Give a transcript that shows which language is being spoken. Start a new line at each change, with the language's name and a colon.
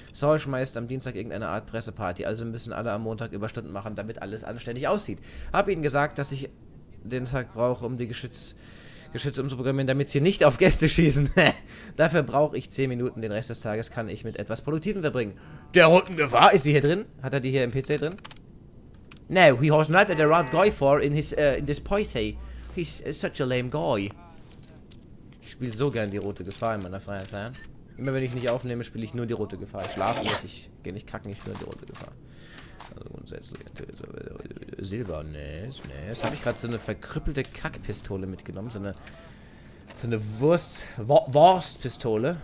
German: Saul schmeißt am Dienstag irgendeine Art Presseparty, also müssen alle am Montag Überstunden machen, damit alles anständig aussieht. Hab ihnen gesagt, dass ich den Tag brauche, um die Geschütze umzuprogrammieren, damit sie nicht auf Gäste schießen. Dafür brauche ich 10 Minuten. Den Rest des Tages kann ich mit etwas Produktivem verbringen. Der roten Gefahr. Ist sie hier drin? Hat er die hier im PC drin?
English: No, he has not the right guy for in this PC. He's such a lame guy.
German: Ich spiele so gern die rote Gefahr in meiner Freizeit. Immer wenn ich nicht aufnehme, spiele ich nur die rote Gefahr. Ich schlafe nicht, ich gehe nicht kacken, ich spiele nur die rote Gefahr. Also grundsätzlich Silber, nee. Jetzt habe ich gerade so eine verkrüppelte Kackpistole mitgenommen. So eine Wurstpistole.